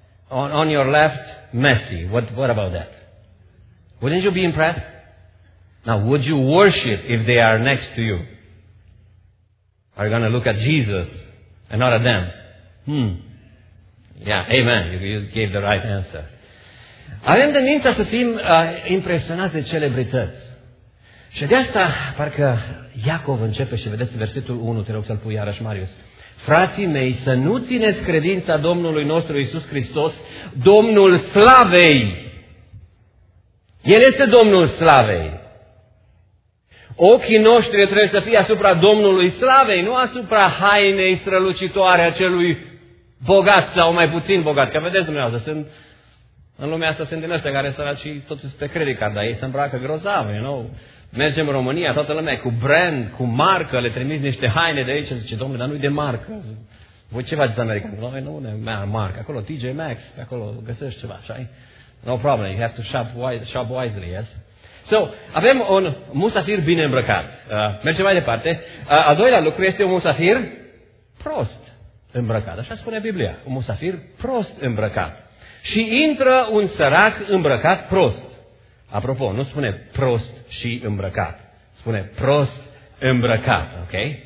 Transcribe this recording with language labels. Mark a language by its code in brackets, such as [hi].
[en] On your left, Messi. What about that? Wouldn't you be impressed? Now, would you worship if they are next to you? Are you going to look at Jesus and not at them? Yeah, amen. You gave the right answer. [ro] Avem tendința să fim impresionați de celebrități. Și de asta, parcă Iacov începe și vedeți versetul 1, te rog să-l pui iarăși, Marius. Frații mei, să nu țineți credința Domnului nostru Iisus Hristos, Domnul Slavei. El este Domnul Slavei. Ochii noștri trebuie să fie asupra Domnului Slavei, nu asupra hainei strălucitoare a celui bogat sau mai puțin bogat. Că vedeți dumneavoastră, sunt în lumea asta sunt din ăștia care săracii toți sunt pe credit card, dar ei se îmbracă grozav, [en] you know? [ro] Mergem în România, toată lumea cu brand, cu marcă, le trimis niște haine de aici, zice, domnule, dar nu-i de marcă. Voi ce faceți american? Noi nu ne marcă, acolo TJ Maxx, pe acolo găsești ceva, așa-i? [en] No problem, you have to shop wisely, yes? [ro] So, avem un musafir bine îmbrăcat. Mergem mai departe. Al doilea lucru este un musafir prost îmbrăcat. Așa spune Biblia. Un musafir prost îmbrăcat. Și intră un sărac îmbrăcat prost. Apropo, nu spune prost și îmbrăcat. Spune prost îmbrăcat. Ok?